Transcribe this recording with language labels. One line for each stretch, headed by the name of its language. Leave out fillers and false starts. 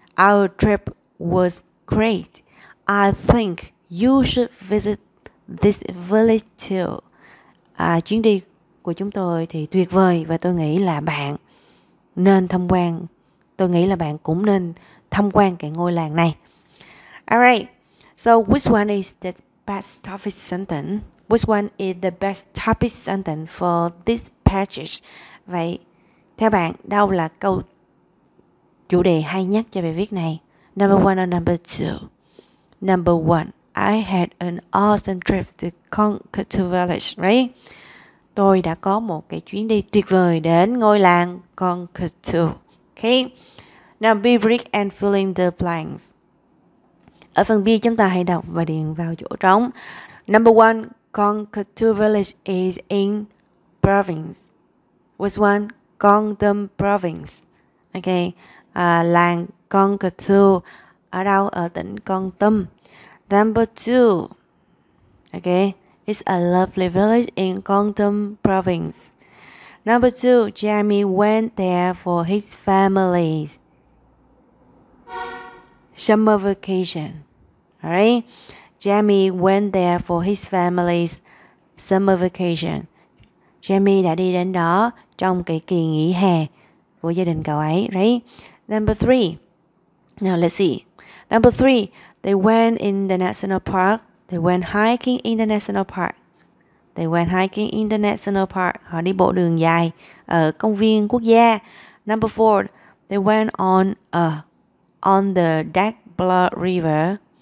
English: Our trip was great. I think you should visit this village too.
Vietnamese: Chuyến đi của chúng tôi thì tuyệt vời và tôi nghĩ là bạn nên tham quan. Tôi nghĩ là bạn cũng nên tham quan cái ngôi làng này.
English: Alright, so which one is the best topic sentence? Which one is the best topic sentence for this passage?
Vietnamese: Vậy, theo bạn, đâu là câu chủ đề hay nhất cho bài viết này?
English: Number one or number two? Number one, I had an awesome trip to Konkutu Village, right?
Vietnamese: Tôi đã có một cái chuyến đi tuyệt vời đến ngôi làng Konkutu.
English: Okay, now be brief and fill in the blanks.
Vietnamese: Ở phần B chúng ta hãy đọc và điền vào chỗ trống.
English: Number one, Konkutu Village is in province. Which one?
Vietnamese: Gangnam Province. Okay, làng Konkutu ở đâu? Ở tỉnh Gangnam.
English: Number two, okay, it's a lovely village in Gangnam Province. Number two, Jeremy went there for his family summer vacation. Alright, Jeremy went there for his family's summer vacation.
Vietnamese: Jeremy đã đi đến đó trong cái kỳ nghỉ hè của gia đình cậu ấy.
English: Right. Number three. Now let's see. Number three, they went in the national park. They went hiking in the national park. They went hiking in the national park.
Vietnamese: Họ đi bộ đường dài ở công viên quốc gia.
English: Number four, they went on the Dagbla River.